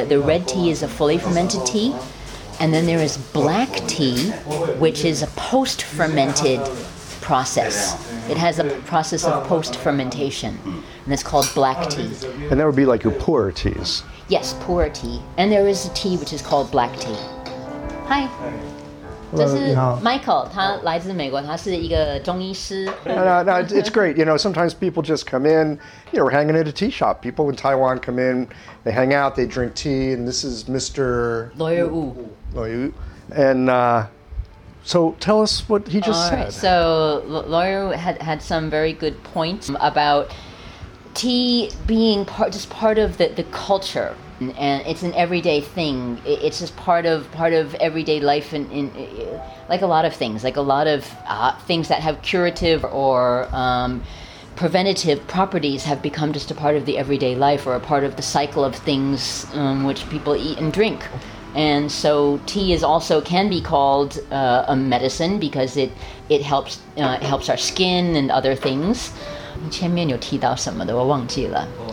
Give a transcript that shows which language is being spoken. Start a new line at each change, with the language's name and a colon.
English: The red tea is a fully fermented tea. And then there is black tea, which is a post-fermented process. It has a process of post-fermentation, and it's called black tea. And that would be like your pu'er teas. Yes, pu'er tea. And there is a tea which is called black tea. Hi.
Chinese: Michael, 他来自美国，他是一个中医师。
English: No, it's great. You know, sometimes people just come in. You know, we're hanging at a tea shop. People in Taiwan come in, they hang out, they drink tea, and this is Mr. Lawyer Wu. Lawyer Wu. And so tell us what he just said. Right. So Lawyer Wu had some very good points about tea being part of the culture. And it's an everyday thing. It's just part of everyday life, in like a lot of things, like a lot of things that have curative or preventative properties have become just a part of the everyday life or a part of the cycle of things which people eat and drink. And so tea is also can be called a medicine because it helps helps our skin and other things.
Chinese: 前面有提到什么的，我忘记了。